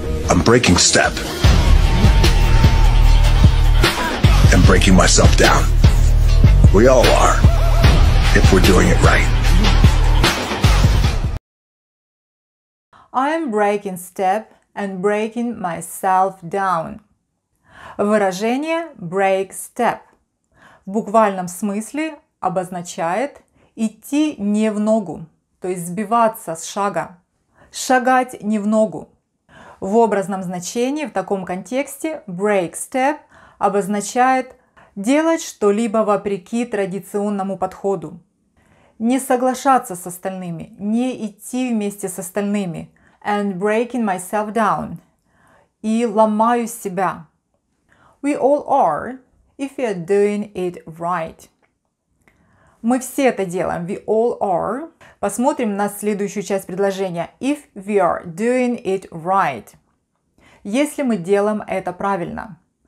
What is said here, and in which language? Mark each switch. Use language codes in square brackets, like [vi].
[en] I'm breaking step and breaking myself down. We all are, if we're doing it right. I'm breaking step and breaking myself down. [ru] Выражение [en] break step [ru] в буквальном смысле обозначает идти не в ногу, то есть сбиваться с шага, шагать не в ногу. В образном значении, в таком контексте, [en] break step [ru] обозначает делать что-либо вопреки традиционному подходу. Не соглашаться с остальными, не идти вместе с остальными. [en] And breaking myself down. [ru] И ломаю себя. [en] We all are, if you're doing it right. [ru] Мы все это делаем. [en] We all are. [ru] Посмотрим на следующую часть предложения. [en] If we are doing it right. [ru] Если мы делаем это правильно.